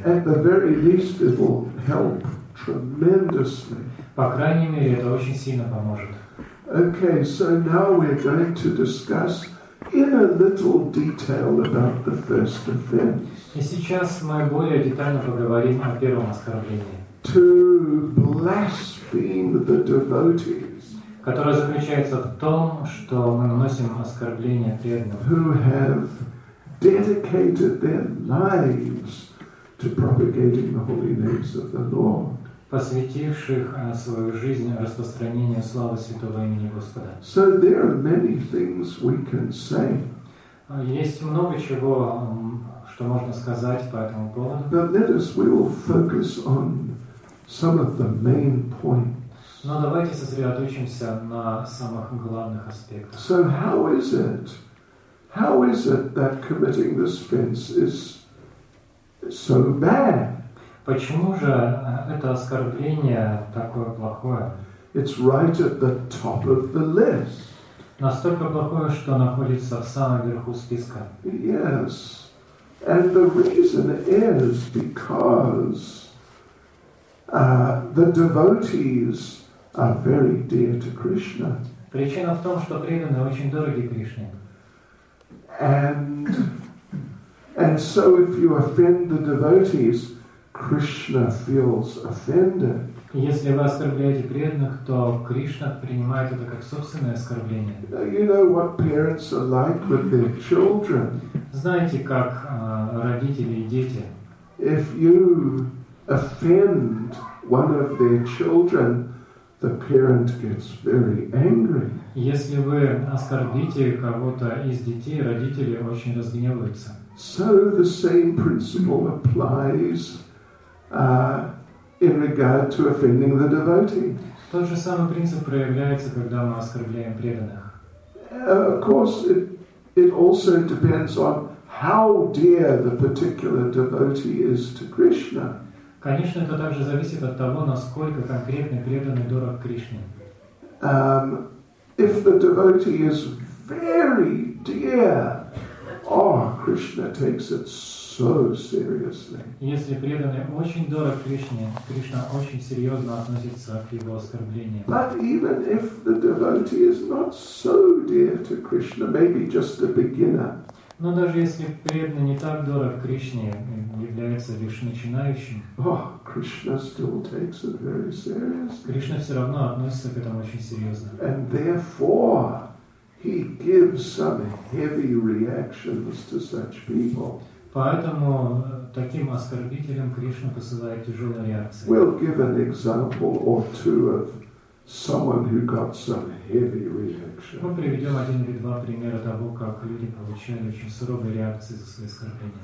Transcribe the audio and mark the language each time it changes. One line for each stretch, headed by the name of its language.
English: At the very least, it will help tremendously.
Russian: По крайней мере, это очень сильно поможет.
English: Okay, so now we're going to discuss in a little detail about the first offense.
Russian: И сейчас мы более детально поговорим о первом оскорблении.
English: To blaspheme the devotees.
Russian: Которое заключается в том, что мы наносим оскорбление преданным.
English: Who have dedicated their lives to propagating the holy names of the Lord.
Russian: Посвятивших свою жизнь распространению славы святого имени Господа.
English: So there are many things we can say.
Russian: Есть много чего, что можно сказать по этому поводу.
English: But let us, we will focus on some of the main points.
Russian: Но давайте сосредоточимся на самых главных аспектах.
English: So how is it that committing this offense is so bad?
Russian: Почему же это оскорбление такое плохое?
English: It's right at the top of the list.
Russian: Настолько плохое, что находится в самом верху списка.
English: Yes. And the reason is because the devotees are very dear to Krishna.
Russian: Причина в том, что преданные очень дороги Кришне.
English: And so if you offend the devotees, Krishna feels offended.
Russian: Если вы оскорбляете преданных, то Кришна принимает это как собственное оскорбление.
English: You know what parents are like with their children.
Russian: Знаете, как родители и дети.
English: If you offend one of their children, the parent gets very angry.
Russian: Если вы оскорбите кого-то из детей, родители очень разгневаются.
English: So the same principle applies in regard to offending the devotee.
Russian: Тот же самый принцип проявляется, когда мы оскорбляем преданных.
English: Of course, it also depends on how dear the particular devotee is to Krishna.
Russian: Конечно, это также зависит от того, насколько конкретный преданный дорог Кришне.
English: If the devotee is very dear, Krishna takes it so seriously.
Russian: Если преданный очень дорог Кришне, Кришна очень серьезно относится к его оскорблениям.
English: But even if the devotee is not so dear to Krishna, maybe just a beginner.
Russian: Но даже если преданный не так дорог Кришне, является лишь начинающим.
English: Krishna still takes it very seriously.
Russian: Кришна все равно относится к этому очень серьезно.
English: And therefore, he gives some heavy reactions to such people.
Russian: Поэтому таким оскорбителям Кришна посылает тяжелые реакции.
English: We'll give an example or two of someone who got some heavy reaction.
Russian: Мы приведем один или два примера того, как люди получали очень суровые реакции за свои оскорбления.